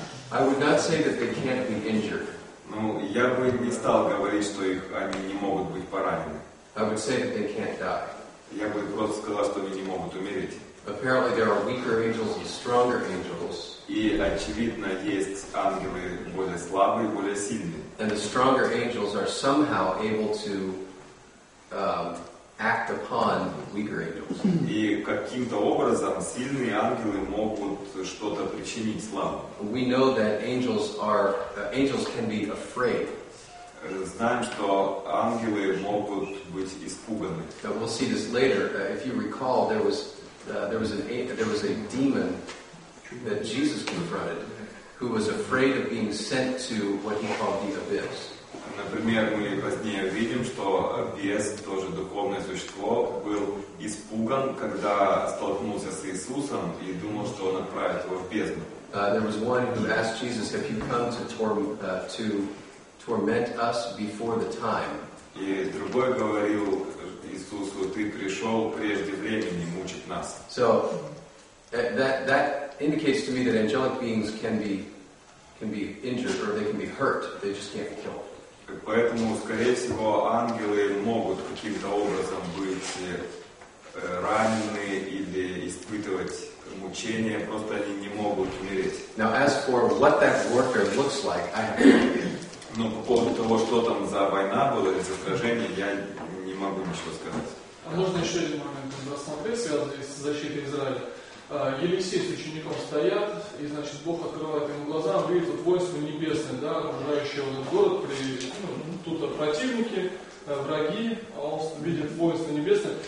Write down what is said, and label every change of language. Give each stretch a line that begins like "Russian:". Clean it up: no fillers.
English: I would not say that they can't be injured.
Russian: Ну, я бы не стал говорить, что они не могут быть поранены.
English: I would say that they can't die.
Russian: Я бы просто сказал, что вы не могут умереть.
English: Apparently there are weaker angels and stronger angels.
Russian: И очевидно есть ангелы более слабые, более сильные.
English: And the stronger angels are somehow able to act upon weaker angels.
Russian: И каким-то образом сильные ангелы могут что-то причинить слабым.
English: We know that angels are angels can be afraid.
Russian: Знаем, что ангелы могут быть испуганы.
English: But we'll see this later. If you recall, there was a demon that Jesus confronted, who was afraid of being sent to what he called the abyss.
Russian: Например, мы позднее видим, что бес, тоже духовное существо, был испуган, когда столкнулся с Иисусом и думал, что он отправит его в бездну.
English: There was one who asked Jesus, "Have you come to torment us before the time?"
Russian: И другой говорил Иисусу, "Ты пришел прежде времени мучить нас."
English: So that indicates to me that angelic beings can be injured or they can be hurt. They just can't be killed.
Russian: Поэтому, скорее всего, ангелы могут каким-то образом быть ранены или испытывать мучения, просто они не могут умереть.
English: Now, as for what that warfare looks like, I have no idea.
Russian: Но по поводу того, что там за война была или за сражение, я не могу ничего сказать. А можно еще один момент рассмотреть, связанный с защитой Израиля? Елисей с учеником стоят, и, значит, Бог открывает ему глаза, он видит вот воинство небесное, да, окружающее вот этот город, тут противники, враги, а он видит воинство небесное.